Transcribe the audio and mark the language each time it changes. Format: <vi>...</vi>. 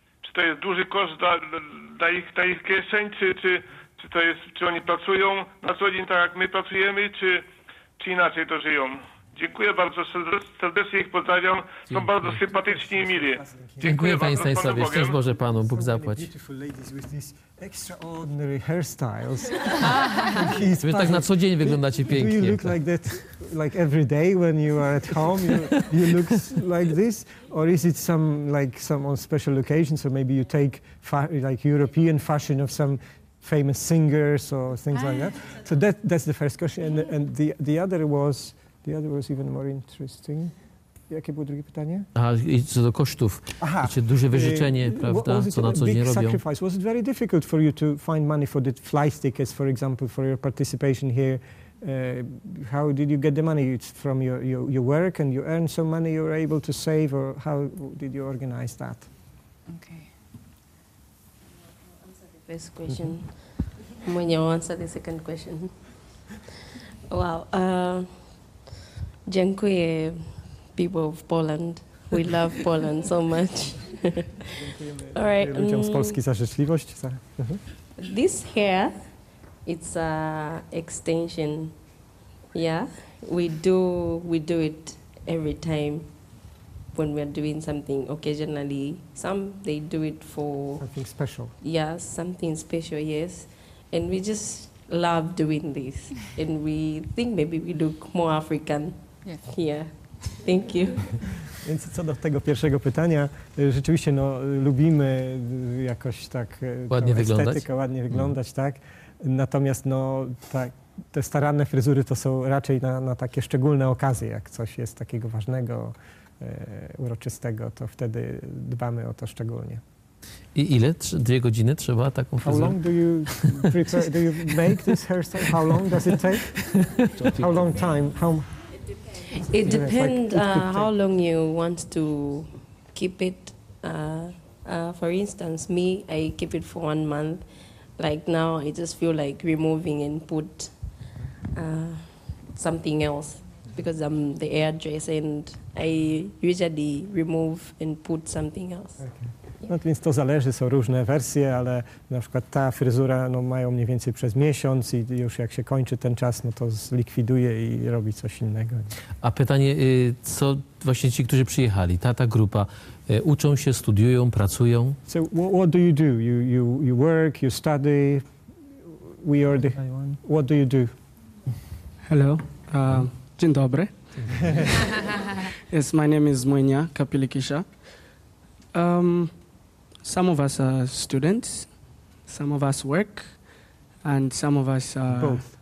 <pl>Czy to jest duży koszt dla ich kieszeń? Czy to jest, czy oni pracują na co dzień tak, jak my pracujemy, czy inaczej to żyją? Dziękuję bardzo, serdecznie ich pozdrawiam. Są dziękuję. Bardzo sympatyczni i mili. Dziękuję Panie Stanisławie. Szczęść Boże Panu, Bóg zapłać.</pl> <en>Extraordinary hairstyles.</en> <pl>Wy tak na co dzień wyglądacie pięknie.</pl> <en>Do you look like that, like every day when you are at home, you look like this, or is it some on special occasions, or maybe you take like European fashion of some famous singers or things like that? So that's the first question, and the other was even more interesting.</en> <pl>Jakie było drugie pytanie? Aha, i co do kosztów. Aha. Czy duże wyrzeczenie, prawda, co na co dzień robią.</pl> <en>Was it very difficult for you to find money for the fly stickers, for example, for your participation here? How did you get the money? It's from your work and you earn some money you're able to save, or how did you organize that? Okay. Answer the first question. When you answer the second question.</en> <pl>Wow. Dziękuję.</pl> <en>People of Poland. We love Poland so much. All right.</en> <pl>Ludziom z Polski za życzliwość.</pl> <en>This hair, it's an extension. Yeah. We do it every time when we're doing something occasionally. Some they do it for something special. Yes, something special, yes. And we just love doing this. And we think maybe we look more African. Yes. Here. Thank you.</en> <pl>Więc co do tego pierwszego pytania, rzeczywiście no, lubimy jakoś tak ładnie wyglądać. Estetykę, ładnie wyglądać, tak. Natomiast no, tak, te staranne fryzury to są raczej na takie szczególne okazje, jak coś jest takiego ważnego, uroczystego, to wtedy dbamy o to szczególnie. I ile? 2 godziny trzeba taką fryzurę?</pl> <en>How long do you prepare, do you make this hairstyle? How long does it take? How long time? How? It depends how long you want to keep it. For instance, me, I keep it for 1 month. Like now, I just feel like removing and put something else because I'm the hairdresser and I usually remove and put something else.</en> <pl>Okay. No, więc to zależy, są różne wersje, ale na przykład ta fryzura no, mają mniej więcej przez miesiąc i już jak się kończy ten czas, no to zlikwiduje i robi coś innego. A pytanie, co właśnie ci, którzy przyjechali, ta grupa, uczą się, studiują, pracują?</pl> <en>So what do you do? You work, you study, we are the... What do you do? Hello.</en> <pl>Dzień dobry.</pl> <en>Yes, my name is Mwenya Kapilikisha. Some of us are students, some of us work, and some of us are...</en>